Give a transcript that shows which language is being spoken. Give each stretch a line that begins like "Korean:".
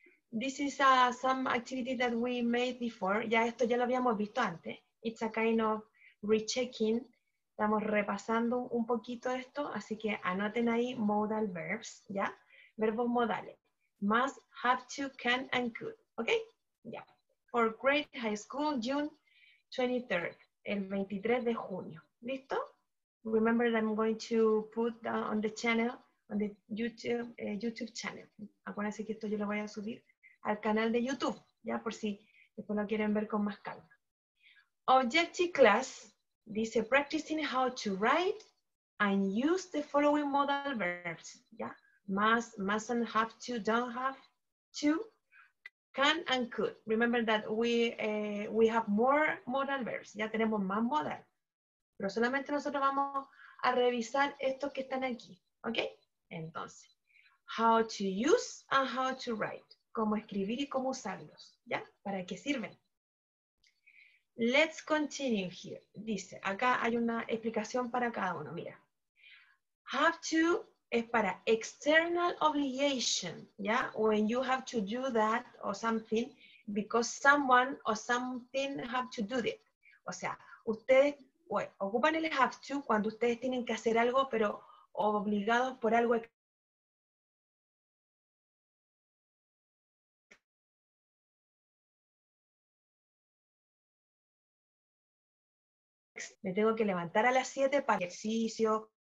English: This is some activity that we made before.
Spanish: Ya esto ya lo habíamos visto antes.
English: It's a kind of rechecking.
Spanish: Estamos repasando un poquito esto, así que anoten ahí modal verbs, ¿ya? Verbos modales.
English: Must, have to, can, and could. ¿Ok? Ya. Yeah. For grade high school, June 23rd.
Spanish: El 23 de junio. ¿Listo?
English: Remember that I'm going to put on the channel, on the YouTube, YouTube channel.
Spanish: Acuérdense que esto yo lo voy a subir al canal de YouTube, ¿ya? Por si después lo quieren ver con más calma.
English: Objective class. Dice, practicing how to write and use the following modal verbs. Yeah? Must, mustn't, have to, don't have to, can and could. Remember that we have more modal verbs.
Spanish: Ya tenemos más modal. Pero solamente nosotros vamos a revisar estos que están aquí. ¿Ok?
English: Entonces, how to use and how to write.
Spanish: Cómo escribir y cómo usarlos. ¿Ya? ¿Para qué sirven?
English: Let's continue here.
Spanish: Dice, acá hay una explicación para cada uno. Mira. Have to es para external obligation, ¿ya?
English: When you have to do that or something because someone or something have to do it.
Spanish: O sea, ustedes bueno, ocupan el have to cuando ustedes tienen que hacer algo, pero obligados por algo me tengo que levantar a las 7 para ejercicio.